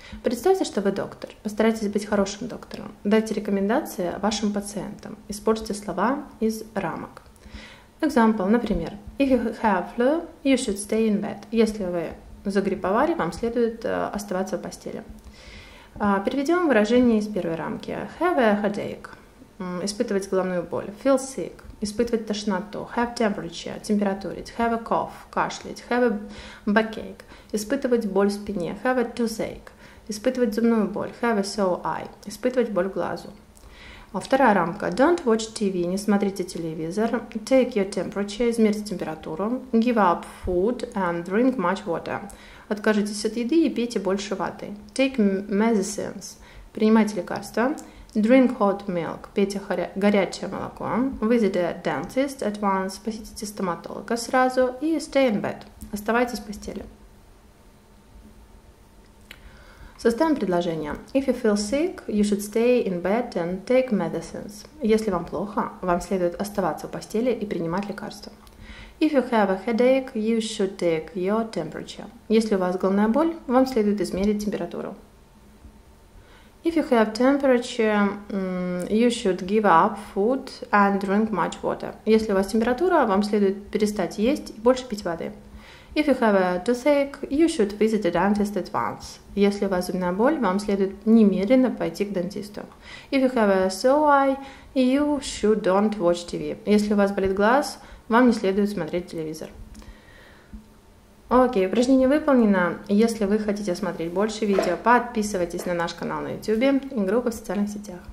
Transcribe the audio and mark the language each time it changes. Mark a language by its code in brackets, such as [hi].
[ru] Представьте, что вы доктор. Постарайтесь быть хорошим доктором. Дайте рекомендации вашим пациентам. Используйте слова из рамок. [en] Example, например, if you have flu, you should stay in bed. [ru] Если вы загрипповали, вам следует оставаться в постели. Переведем выражение из первой рамки. [en] Have a headache. [ru] Испытывать головную боль. [en] Feel sick. [ru] Испытывать тошноту. [en] Have temperature. [ru] Температурить. [en] Have a cough. [ru] Кашлять. [en] Have a backache. [ru] Испытывать боль в спине. [en] Have a toothache. [ru] Испытывать зубную боль. [en] Have a sore eye. [ru] Испытывать боль в глазу. Вторая рамка. [en] Don't watch TV. [ru] Не смотрите телевизор. [en] Take your temperature. [ru] Измерьте температуру. [en] Give up food and drink much water. [ru] Откажитесь от еды и пейте больше воды. [en] Take medicines. [ru] Принимайте лекарства. [en] Drink hot milk. [ru] Пейте горячее молоко. [en] Visit a dentist at once. [ru] Посетите стоматолога сразу. И [en] stay in bed. [ru] Оставайтесь в постели. Составим предложение. [en] If you feel sick, you should stay in bed and take medicines. [ru] Если вам плохо, вам следует оставаться в постели и принимать лекарства. [en] If you have a headache, you should take your temperature. [ru] Если у вас головная боль, вам следует измерить температуру. [en] If you have temperature, you should give up food and drink much water. [ru] Если у вас температура, вам следует перестать есть и больше пить воды. [en] If you have a toothache, you should visit a dentist at once. [ru] Если у вас зубная боль, вам следует немедленно пойти к дантисту. [en] If you have a sore eye, you should don't watch TV. [ru] Если у вас болит глаз, вам не следует смотреть телевизор. Окей, упражнение выполнено. Если вы хотите смотреть больше видео, подписывайтесь на наш канал на YouTube и группу в социальных сетях.